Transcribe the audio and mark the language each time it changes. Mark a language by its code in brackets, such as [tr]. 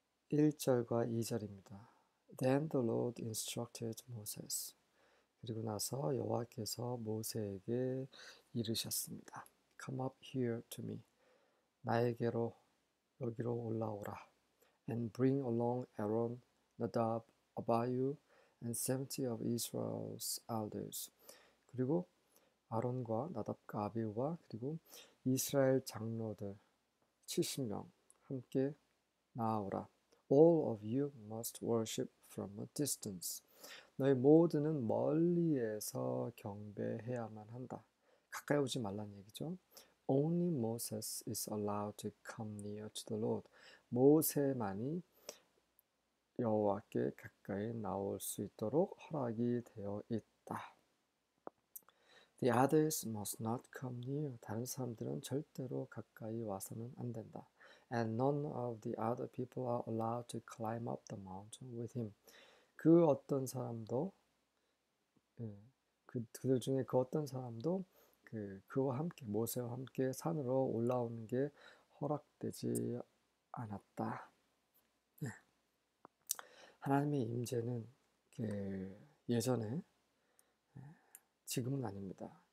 [ko] 1절과 2절입니다. [en] Then the Lord instructed Moses. [ko] 그리고 나서 여호와께서 모세에게 이르셨습니다. [en] Come up here to me. [ko] 나에게로 여기로 올라오라. [en] And bring along Aaron, Nadab, Abihu, and 70 of Israel's elders. [ko] 그리고 아론과 나답과 아비우와 그리고 이스라엘 장로들 70명 함께 나아오라. [en] All of you must worship from a distance. [ko] 너희 모두는 멀리에서 경배해야만 한다. 가까이 오지 말란 얘기죠. [en] Only Moses is allowed to come near to the Lord. [ko] 모세만이 여호와께 가까이 나올 수 있도록 허락이 되어 있다. [en] The others must not come near. [ko] 다른 사람들은 절대로 가까이 와서는 안 된다. [en] And none of the other people are allowed to climb up the mountain with him. [ko] 그 어떤 사람도 그들 중에 그 어떤 사람도 그와 함께 모세와 함께 산으로 올라오는 게 허락되지 않았다. 하나님의 임재는 예전에 지금은 아닙니다.